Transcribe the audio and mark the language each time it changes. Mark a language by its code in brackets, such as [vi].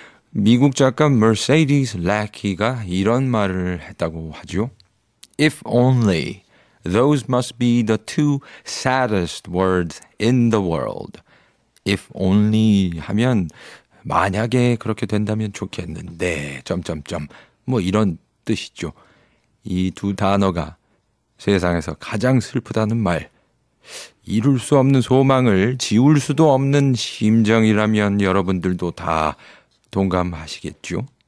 [ko] 미국 작가 Mercedes Lackey가 이런 말을 했다고 하죠. [en] If only... Those must be the two saddest words in the world. If only [ko] 하면 만약에 그렇게 된다면 좋겠는데 점점점 뭐 이런 뜻이죠. 이 두 단어가 세상에서 가장 슬프다는 말. 이룰 수 없는 소망을 지울 수도 없는 심정이라면 여러분들도 다 동감하시겠죠.